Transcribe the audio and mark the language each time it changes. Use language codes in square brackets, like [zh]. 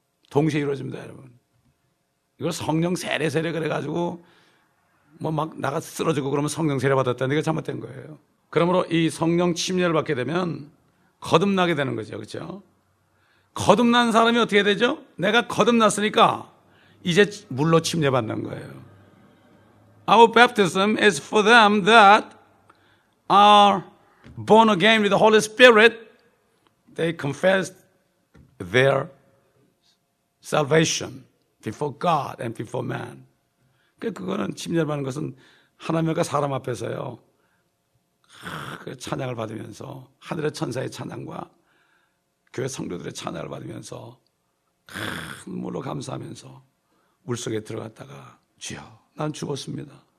[ko] 동시에 이루어집니다, 여러분. 이걸 성령 세례 세례 그래가지고 뭐 막 나가 쓰러지고 그러면 성령 세례 받았다는 게 잘못된 거예요. 그러므로 이 성령 침례를 받게 되면 거듭나게 되는 거죠, 그렇죠? 거듭난 사람이 어떻게 되죠? 내가 거듭났으니까 이제 물로 침례 받는 거예요. [en] Our baptism is for them that are born again with the Holy Spirit. They confess their salvation before God and before man. [ko] 그거는 침례를 받는 것은 하나님과 사람 앞에서요. 그 찬양을 받으면서 하늘의 천사의 찬양과 교회 성도들의 찬양을 받으면서 큰 눈물로 감사하면서 물속에 들어갔다가 주여 난 죽었습니다.